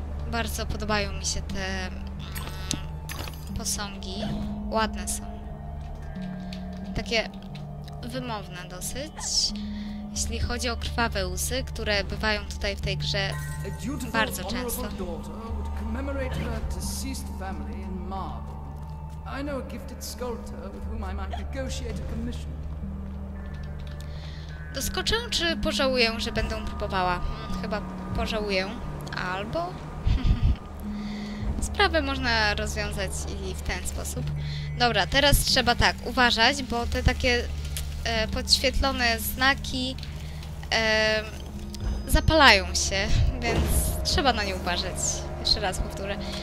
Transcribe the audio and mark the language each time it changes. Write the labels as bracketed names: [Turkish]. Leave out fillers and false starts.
[Polish] Bardzo podobają mi się te posągi. Ładne są. Takie wymowne dosyć. Jeśli chodzi o krwawe łzy, które bywają tutaj w tej grze bardzo często. [English] Commemorate her deceased family in marble. I know a gifted sculptor with whom I might negotiate a commission. [Polish] Doskoczę, czy pożałuję, że będę próbowała? Chyba pożałuję. Albo... Sprawę można rozwiązać i w ten sposób. Dobra, teraz trzeba tak, uważać, bo te takie podświetlone znaki zapalają się, więc trzeba na nie uważać. Jeszcze raz powtórzę.